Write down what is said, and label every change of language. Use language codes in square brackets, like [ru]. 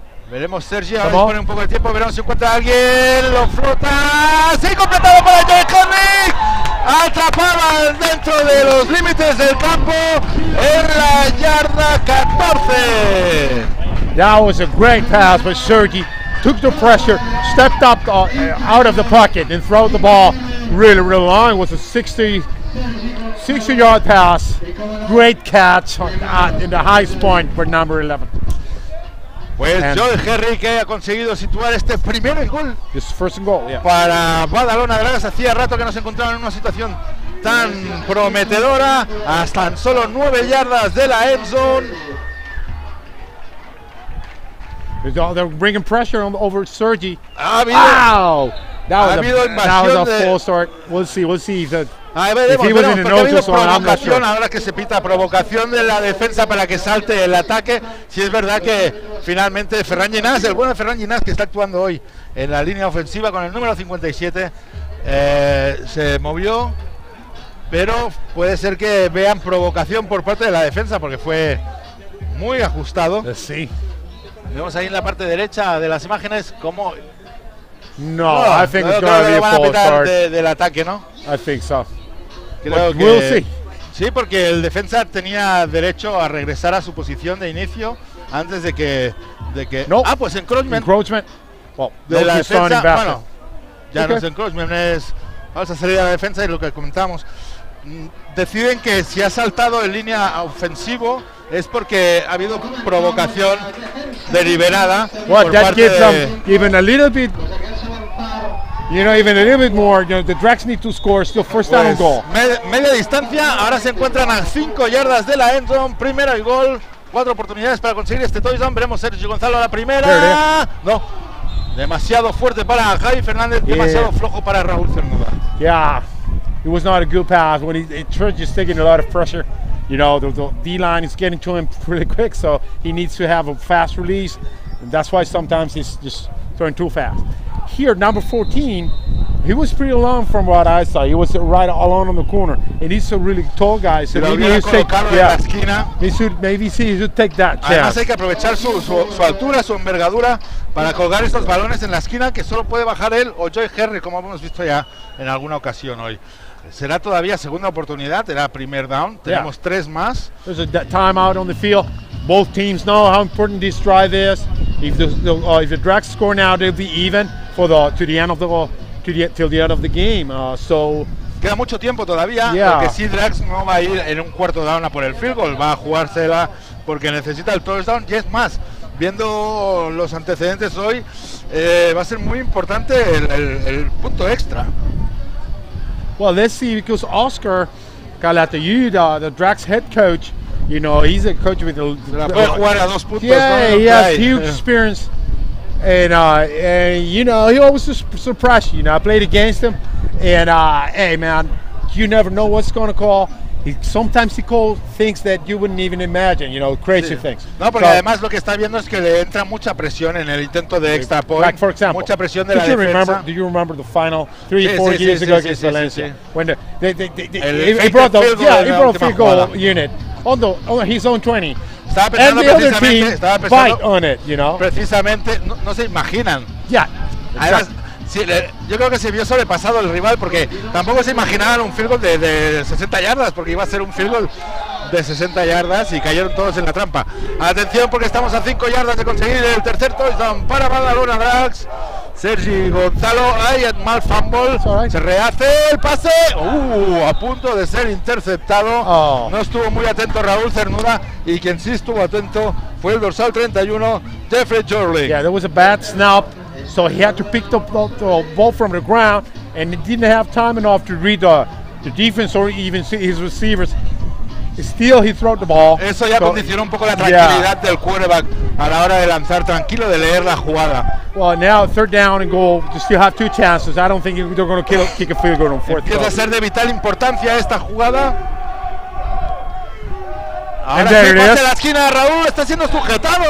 [es] Veremos, Sergio, ¿cómo? A ver, pone un poco de tiempo, veremos si encuentra a alguien, lo flota, ¡se ha completado para Joey Cornick! Atrapada dentro de los límites del campo, en la yarda 14. [en] That was a great pass by Sergi. Took the pressure, stepped up out of the pocket and threw the ball really, really long. It was a 60-yard pass. Great catch in the highest point for number 11. [es] Pues Joel Henry, que ha conseguido situar este primer gol. [en] His first goal, yeah. [es] Para Badalona Dragas. Hacía rato que no se encontraban en una situación tan prometedora. Hasta en solo 9 yardas de la end zone. [en] They're bringing pressure over Sergi. Wow! That was a full start. We'll see. [es] Provocación. Ahora que se pita provocación de la defensa para que salte el ataque. Si es verdad que finalmente Ferran Llinás, el bueno Ferran Llinás, que está actuando hoy en la línea ofensiva con el número 57, se movió. Pero puede ser que vean provocación por parte de la defensa porque fue muy ajustado. Sí. Vemos ahí en la parte derecha de las imágenes cómo. [en] No, I think it's going to be a false start. [es] Del ataque, ¿no? [en] I think so. [es] Creo que [en] we'll see. [es] Sí, porque el defensa tenía derecho a regresar a su posición de inicio antes de que. [en] Nope. [es] Ah, pues encroachment. [en] Encroachment. Well, [es] de la defensa. Bueno, ya okay. No es encroachment. Vamos a salir a la defensa y lo que comentamos. Deciden que si ha saltado en línea ofensivo es porque ha habido provocación deliberada. [en] Well, that gives them even a little bit, you know, even a little bit more. You know, the Drax need to score the first down goal. [es] Media distancia, ahora se encuentran a 5 yardas de la end zone. Primera y gol, 4 oportunidades para conseguir este touchdown. Veremos Sergio Gonzalo a la primera. No, demasiado fuerte para Javi Fernández, demasiado flojo para Raúl Cernuda. [en] Yeah. It was not a good pass when he turns just taking a lot of pressure. You know, the D-line is getting to him pretty quick, so he needs to have a fast release. And that's why sometimes he's just throwing too fast. Here, number 14, he was pretty long from what I saw. He was right along on the corner. And he's a really tall guy, so maybe he should take that. Yeah, he should take that chance. [es] Además, hay que aprovechar su altura, su envergadura, para colgar estos balones en la esquina, que solo puede bajar él o Joey Henry, como hemos visto ya en alguna ocasión hoy. Será todavía segunda oportunidad, era primer down. Tenemos 3 más. [en] There's a timeout on the field. Both teams know how important this drive is. If the Drax score now, they'll be even till the end of the game. So [es] queda mucho tiempo todavía. [en] Yeah. [es] Porque si Drax no va a ir en un cuarto down a por el field goal, va a jugársela porque necesita el touchdown. Y es más, viendo los antecedentes hoy, va a ser muy importante el punto extra. [en] Well, let's see, because Oscar Calatayud, the Drax head coach, you know, he's a coach with huge experience, and you know, he always surprised you. You know, I played against him, and hey, man, you never know what's going to call. Sometimes he calls things that you wouldn't even imagine, you know, crazy things. [es] No, porque so, además lo que está viendo es que le entra mucha presión en el intento de extra point. [en] Like, for example, [es] mucha presión de la defensa. [en] Do you remember the final three or four years ago against Valencia? When he brought the field goal unit on his own 20. [es] Estaba pensando precisamente, no se imaginan. [en] Yeah, [es] además, sí, yo creo que se vio sobrepasado el rival porque tampoco se imaginaban un field goal de 60 yardas, porque iba a ser un field goal de 60 yardas y cayeron todos en la trampa. Atención, porque estamos a 5 yardas de conseguir el tercer touchdown para Badalona Drax. Sergi Gonzalo, hay mal fumble, se rehace el pase, a punto de ser interceptado, no estuvo muy atento Raúl Cernuda, y quien sí estuvo atento fue el dorsal 31, Jeffrey Jorley. [en] Yeah, there was a bad snap, so he had to pick the ball from the ground, and he didn't have time enough to read the defense or even see his receivers. Still, he threw the ball. [es] Eso ya condicionó un poco la tranquilidad del quarterback a la hora de lanzar, tranquilo, de leer la jugada. [en] Well, now third down and goal, you still have two chances. I don't think they're going to kick a field goal on fourth. [es] Empieza a ser de vital importancia esta jugada. [en] And there it is. [es] Ahora sí, pase a la esquina, Raúl, está siendo sujetado.